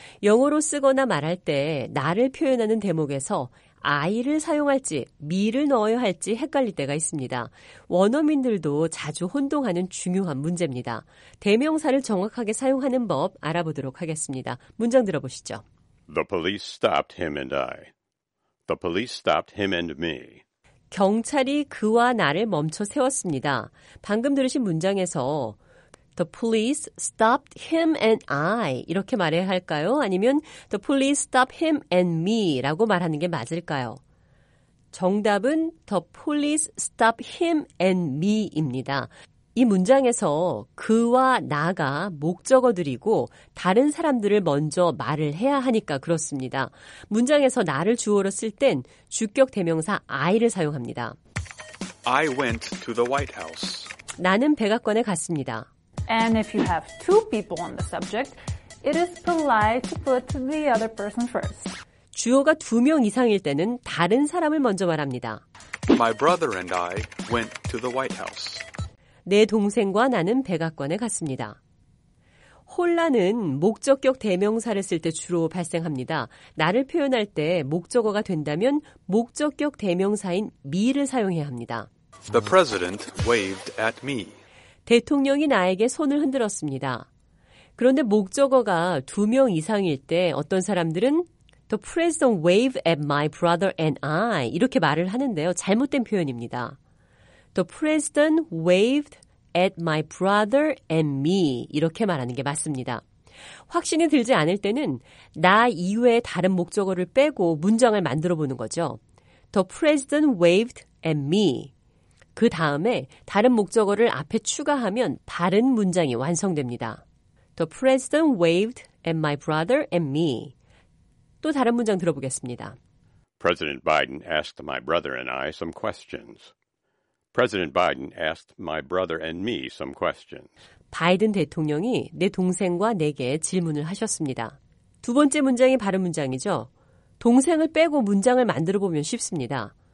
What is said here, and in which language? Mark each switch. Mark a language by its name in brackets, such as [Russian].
[Korean] 영어로 쓰거나 말할 때 나를 표현하는 대목에서 I를 사용할지 me를 넣어야 할지 헷갈릴 때가 있습니다. 원어민들도 자주 혼동하는 중요한 문제입니다. 대명사를 정확하게 사용하는 법 알아보도록 하겠습니다. 문장 들어보시죠. [English] The police stopped him and I. The police stopped him and me. [Korean] 경찰이 그와 나를 멈춰 세웠습니다. 방금 들으신 문장에서 [English] The police stopped him and I [Korean] 이렇게 말해야 할까요? 아니면 [English] The police stopped him and me [Korean] 라고 말하는 게 맞을까요? 정답은 [English] The police stopped him and me [Korean] 입니다. 이 문장에서 그와 나가 목적어들이고 다른 사람들을 먼저 말을 해야 하니까 그렇습니다. 문장에서 나를 주어로 쓸 땐 주격 대명사 I를 사용합니다. [English] I went to the White House. [Korean] 나는 백악관에 갔습니다. [English] And if you have two people on the subject, it is polite to put the other person first. [Korean] 주어가 두 명 이상일 때는 다른 사람을 먼저 말합니다. [English] My brother and I went to the White House. [Korean] 내 동생과 나는 백악관에 갔습니다. 혼란은 목적격 대명사를 쓸 때 주로 발생합니다. 나를 표현할 때 목적어가 된다면 목적격 대명사인 me를 사용해야 합니다. [English] The president waved at me. [Korean] 대통령이 나에게 손을 흔들었습니다. 그런데 목적어가 두 명 이상일 때 어떤 사람들은 [English] The president waved at my brother and I [Korean] 이렇게 말을 하는데요. 잘못된 표현입니다. [English] The president waved at my brother and me [Korean] 이렇게 말하는 게 맞습니다. 확신이 들지 않을 때는 나 이외의 다른 목적어를 빼고 문장을 만들어 보는 거죠. [English] The president waved at me. [Korean] 그 다음에 다른 목적어를 앞에 추가하면 바른 문장이 완성됩니다. [English] The president waved at my brother and me. [Korean] 또 다른 문장 들어보겠습니다. [English] President Biden asked my brother and I some questions. President Biden asked my brother and me some questions. [Korean] 바이든 대통령이 내 동생과 내게 질문을 하셨습니다. 두 번째 문장이 바른 문장이죠. 동생을 빼고 문장을 만들어 보면 쉽습니다.